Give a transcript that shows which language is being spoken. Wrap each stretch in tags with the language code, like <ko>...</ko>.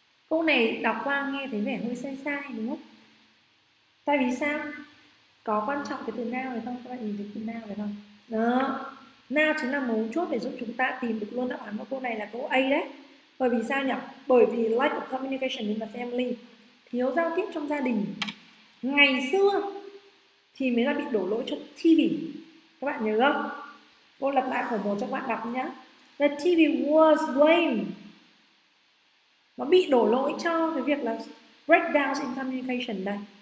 <vi>Câu này đọc qua nghe thấy vẻ hơi sai sai đúng không? Tại vì sao? Có quan trọng cái từ nào này không? Các bạn nhìn thấy từ nào này không? Đó. Nào chính là mấu chốt để giúp chúng ta tìm được luôn đáp án của câu này là câu A đấy. Bởi vì sao nhỉ? Bởi vì</vi> <en>lack of communication in the family.</en> <vi>Thiếu giao tiếp trong gia đình. Ngày xưa thì mới là bị đổ lỗi cho TV. Các bạn nhớ không? Cô lặp lại khẩu một cho các bạn đọc nhá.</vi> <en>The TV was blamed.</en> <vi>Nó bị đổ lỗi cho cái việc là</vi> <en>breakdown in communication</en> <vi>này.</vi>